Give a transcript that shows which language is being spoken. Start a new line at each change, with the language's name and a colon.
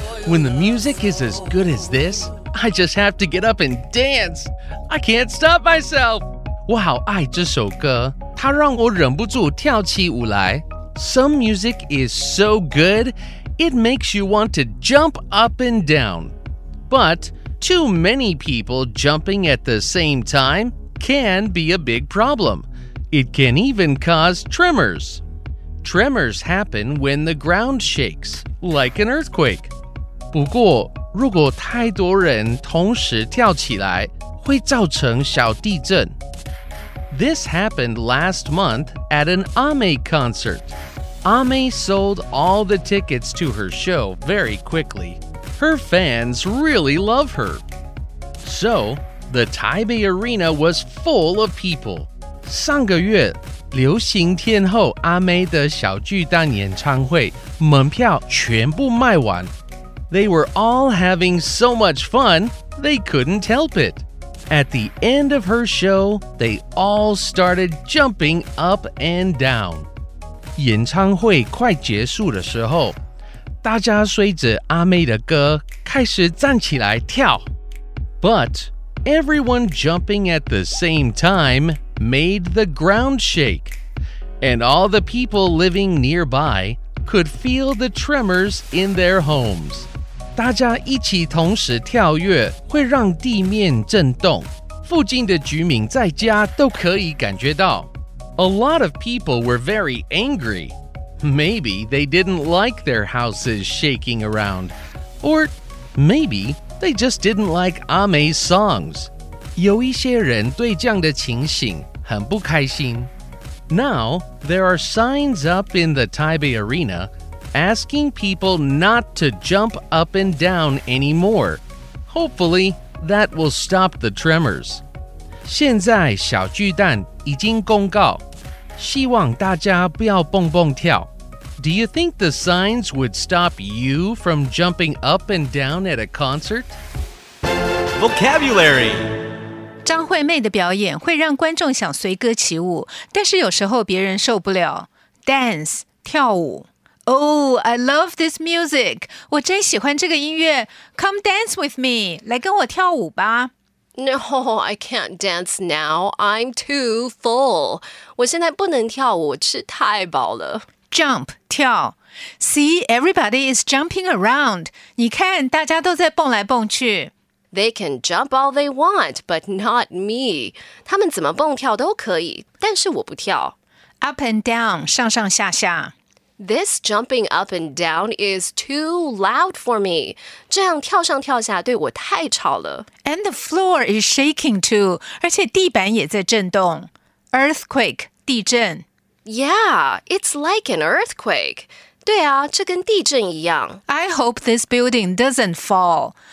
English: When the music is as good as this, I just have to get up and dance. I can't stop myself.
Chinese: 我好爱这首歌，它让我忍不住跳起舞来。
English: Some music is so good, it makes you want to jump up and down. But too many people jumping at the same time can be a big problem. It can even cause tremors. Tremors happen when the ground shakes, like an earthquake.
Chinese: 不过，如果太多人同时跳起来，会造成小地震。
English: This happened last month at an A-mei concert. A-mei sold all the tickets to her show very quickly. Her fans really love her. So, the Taipei Arena was full of people.
Chinese: 上个月流行天后阿妹的小巨蛋演唱会门票全部卖完。
English: They were all having so much fun, they couldn't help it. At the end of her show, they all started jumping up and down.
Chinese: 演唱会快结束的时候，大家随着阿妹的歌开始站起来跳。
English: But everyone jumping at the same time,made the ground shake, and all the people living nearby could feel the tremors in their homes.
Chinese: 大家一起同时跳跃会让地面震动，附近的居民在家都可以感觉到。
English: A lot of people were very angry. Maybe they didn't like their houses shaking around, or maybe they just didn't like Ame's songs.
Chinese: 有一些人对这样的情形很不开心。
English: Now, there are signs up in the Taipei Arena asking people not to jump up and down anymore. Hopefully, that will stop the tremors.
Chinese: 现在小巨蛋已经公告，希望大家不要蹦蹦跳。
English: Do you think the signs would stop you from jumping up and down at a concert? Vocabulary
Chinese: 张惠妹的表演会让观众想随歌起舞，但是有时候别人受不了。
English: Dance, 跳舞。Oh, I love this music.
Chinese: 我真喜欢这个音乐。
English: Come dance with me.
Chinese: 来跟我跳舞吧。
English: No, I can't dance now. I'm too full.
Chinese: 我现在不能跳舞，吃太饱了。
English: Jump, 跳。See, everybody is jumping around.
Chinese: 你看，大家都在蹦来蹦去。
English: They can jump all they want, but not me.
Chinese: 他们怎么蹦跳都可以，但是我不跳。
English: Up and down, 上上下下。 This jumping up and down is too loud for me.
Chinese: 这样跳上跳下对我太吵了。
English: And the floor is shaking too.
Chinese: 而且地板也在震动。
English: Earthquake, 地震。 Yeah, it's like an earthquake.
Chinese: 对啊，这跟地震一样。
English: I hope this building doesn't fall.